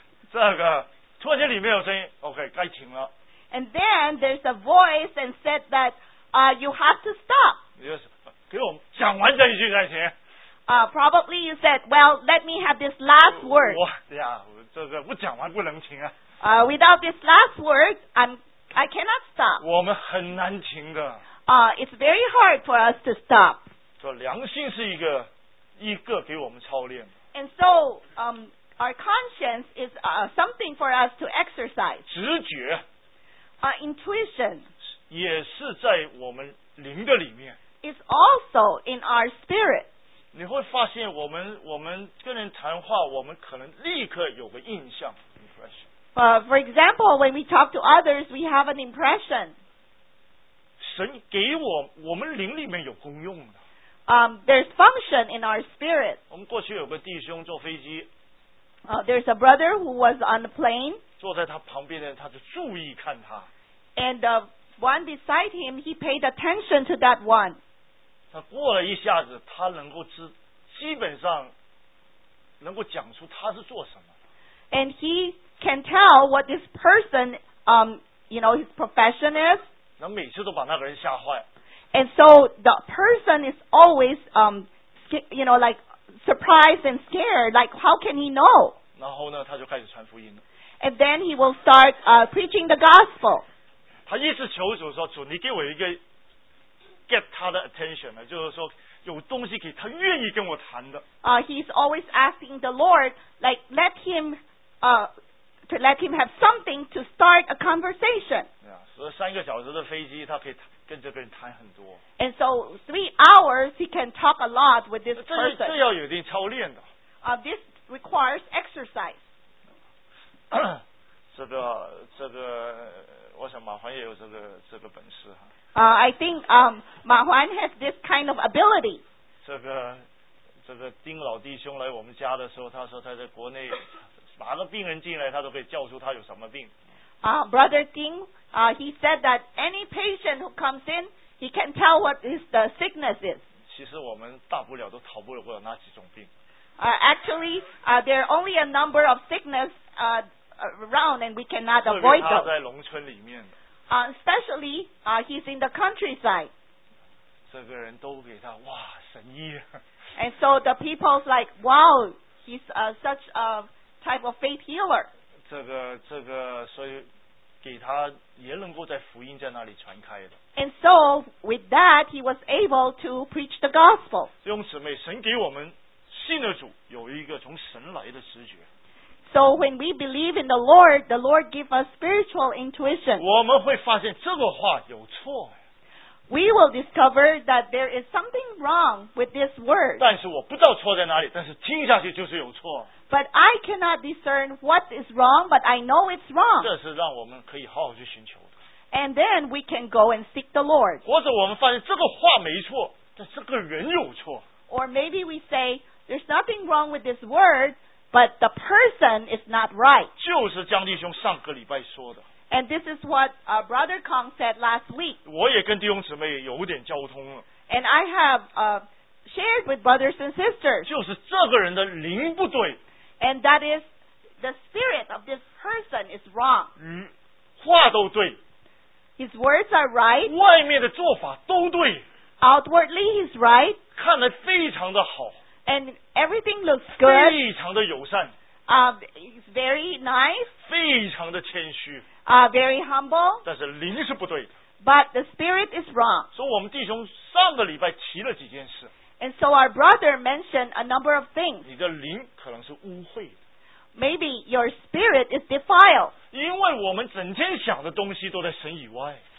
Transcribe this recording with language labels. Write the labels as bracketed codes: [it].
[zh] 这个突然间里面有声音 ，OK， 该停了。 [en] And then there's a voice and said that, you have to stop. [zh] Yes, 给我讲完这一句再停。 [en] Probably you said, well, let me have this last word. [zh] 我呀，这个不讲完不能停啊。 [en] Without this last word, I cannot stop. [zh] 我们很难停的。 [en] It's very hard for us to stop. [zh] 说良心是一个给我们操练。 [en] And so, our conscience is something for us to exercise. [zh] 直觉。 [en] Intuition. [zh] 也是在我们灵的里面。 [en] It's also in our spirit. [zh] 你会发现我们跟人谈话，我们可能立刻有个印象 impression. [en] For example, when we talk to others, we have an impression. [zh] 神给我们灵里面有功用的。 [en] There's function in our spirit. [zh] 我们过去有个弟兄坐飞机。 [en] There's a brother who was on the plane. [zh] 坐在他旁边的人，他就注意看他。 [en] And one beside him, he paid attention to that one. [zh] 他过了一下子，他能够知，基本上能够讲出他是做什么。 [en] And he can tell what this person, you know, his profession is. [zh] 那每次都把那个人吓坏。 [en] And so the person is always, you know, like. Surprised and scared, like how can he know? [zh] 然后呢，他就开始传福音了。 [en] And then he will start preaching the gospel. [zh] 他一直求主说：“主，你给我一个 get 他的 attention 就是说有东西给他愿意跟我谈的。 [en] He's always asking the Lord, like let him have something to start a conversation. [zh] 所以三个小时的飞机，他可以跟这个人谈很多。 [en] And so 3 hours he can talk a lot with this person. [zh] 这要有一定操练的。 [en] This requires exercise. [zh] 这个，我想马环也有这个本事哈。 [en] I think马环 has this kind of ability. [zh] 这个丁老弟兄来我们家的时候，他说他在国内哪个病人进来，他都可以叫出他有什么病。 [en] Brother Ding, he said that any patient who comes in, he can tell what is the sickness is. [zh] 其实我们大不了都逃不了那几种病。 [en] There are only a number of sickness around and we cannot avoid them. [zh] 特别他在农村里面。 [en] Especially, he's in the countryside. [zh] 这个人都给他哇神医。 [en] And so the people's like, wow, he's such a type of faith healer. [zh] 这个，所以给他也能够在福音在那里传开的。 [en] And so with that, he was able to preach the gospel. [zh] 弟兄姊妹，神给我们信的主有一个从神来的直觉。 [en] So when we believe in the Lord gives us spiritual intuition. [zh] 我们会发现这个话有错。 [en] We will discover that there is something wrong with this word. [zh] 但是我不知道错在哪里，但是听下去就是有错。 [en] But I cannot discern what is wrong, but I know it's wrong. [zh] 这是让我们可以好好去寻求的。 [en] And then we can go and seek the Lord. [zh] 或者我们发现这个话没错，但这个人有错。 [en] Or maybe we say, there's nothing wrong with this word, but the person is not right. [zh] 就是江弟兄上个礼拜说的。 [en] And this is what Brother Kong said last week. [zh] 我也跟弟兄姊妹有点交通了。 [en] And I have shared with brothers and sisters. [zh] 就是这个人的灵不对。 [en] And that is the spirit of this person is wrong. [zh] 话都对。 [en] His words are right. [zh] 外面的做法都对。 [en] Outwardly he's right. [zh] 看得非常的好。 [en] And everything looks good. [zh] 非常的友善。 [en] He's very nice. [zh] 非常的谦虚。 [en] Very humble. [zh] 但是灵是不对的。 [en] But the spirit is wrong. [zh] 所以我们弟兄上个礼拜提了几件事。 [en] And so our brother mentioned a number of things. [zh] 你的灵可能是污秽的。 [en] Maybe your spirit is defiled. [zh] 因为我们整天想的东西都在神以外。